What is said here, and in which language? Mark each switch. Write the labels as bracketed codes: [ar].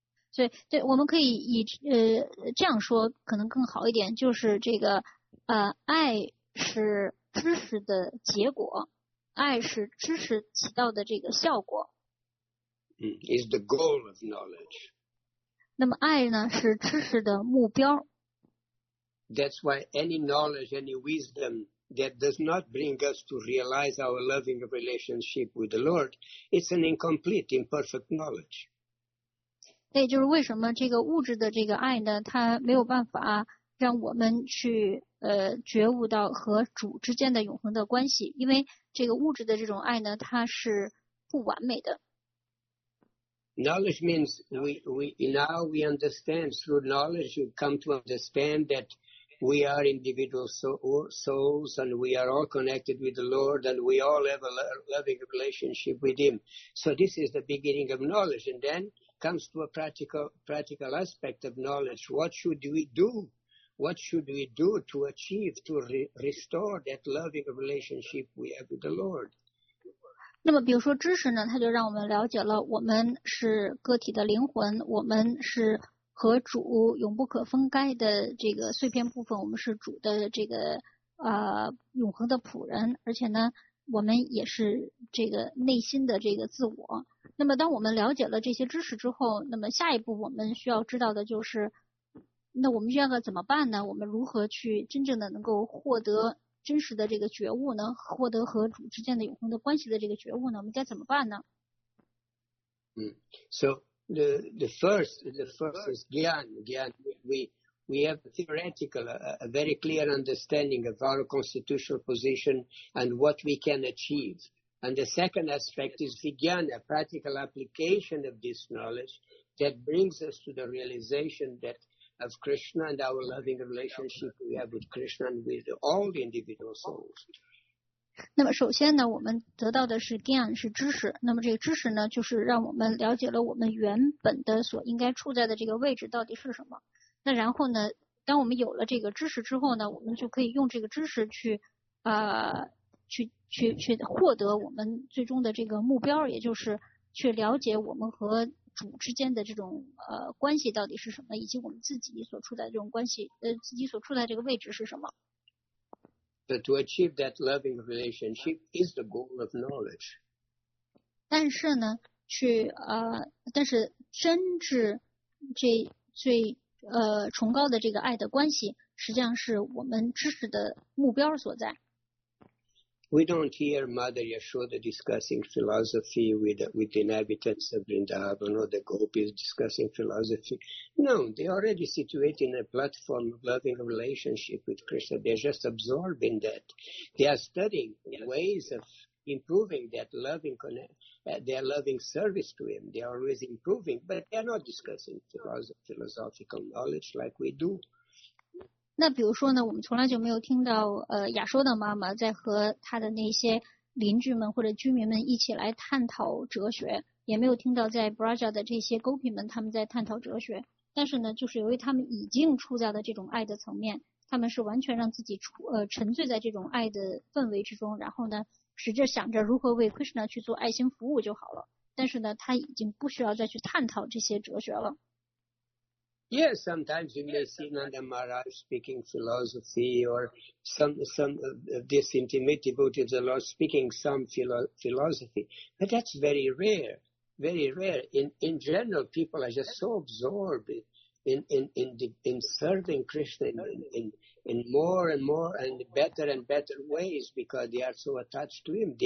[zh] 所以对我们可以以这样说可能更好一点，就是这个爱是知识的结果，爱是知识起到的这个效果。 [en] Is the goal of knowledge. [zh] 那么爱呢是知识的目标。 [en] That's why any knowledge, any wisdom that does not bring us to realize our loving relationship with the Lord, it's an incomplete, imperfect knowledge. [zh] 对，就是为什么这个物质的这个爱呢，它没有办法让我们去觉悟到和主之间的永恒的关系，因为这个物质的这种爱呢，它是不完美的。 [en] Knowledge means we now we understand through knowledge you come to understand that we are individual souls and we are all connected with the Lord and we all have a loving relationship with Him. So this is the beginning of knowledge and then. Comes to a practical aspect of knowledge. What should we do? What should we do to achieve, to restore that loving relationship we have with the Lord? [zh] 那么比如说知识呢，它就让我们了解了我们是个体的灵魂，我们是和主永不可分开的这个碎片部分，我们是主的这个永恒的仆人，而且呢我们也是这个内心的这个自我。那么当我们了解了这些知识之后，那么下一步我们需要知道的就是，那我们需要怎么办呢？我们如何去真正的能够获得真实的这个觉悟呢？获得和主之间的永恒的关系的这个觉悟呢？我们该怎么办呢？ [en] So the first is Gyan. We have a theoretical, a very clear understanding of our constitutional position and what we can achieve. And the second aspect is vijnana, a practical application of this knowledge that brings us to the realization that of Krishna and our loving relationship we have with Krishna and with all the individual souls. [zh] 那么首先呢，我们得到的是 gyan， 是知识。那么这个知识呢，就是让我们了解了我们原本的所应该处在的这个位置到底是什么。那然后呢，当我们有了这个知识之后呢，我们就可以用这个知识去去获得我们最终的这个目标，也就是去了解我们和主之间的这种关系到底是什么，以及我们自己所处在这种关系自己所处在这个位置是什么。 [en] But to achieve that loving relationship is the goal of knowledge. [zh] 但是呢，去但是真挚这最崇高的这个爱的关系，实际上是我们知识的目标所在。 [en] We don't hear Mother Yashoda discussing philosophy with the inhabitants of Vrindavan or the gopis discussing philosophy. No, they are already situated in a platform of loving relationship with Krishna. They are just absorbing that. They are studying ways of improving that loving their loving service to him. They are always improving, but they are not discussing philosophical knowledge like we do. [zh] 那比如说呢，我们从来就没有听到亚修的妈妈在和她的那些邻居们或者居民们一起来探讨哲学，也没有听到在 Braja 的这些 Gopi 们他们在探讨哲学。但是呢，就是由于他们已经处在了这种爱的层面，他们是完全让自己沉醉在这种爱的氛围之中，然后呢，只是想着如何为 Krishna 去做爱心服务就好了。但是呢，他已经不需要再去探讨这些哲学了。 [en] Yes, sometimes you may see Nanda Maharaj speaking philosophy or some of this intimate devotees of the Lord speaking some philosophy. But that's very rare, very rare. In general, people are just so absorbed in serving Krishna in more and more and better ways because they are so attached to him.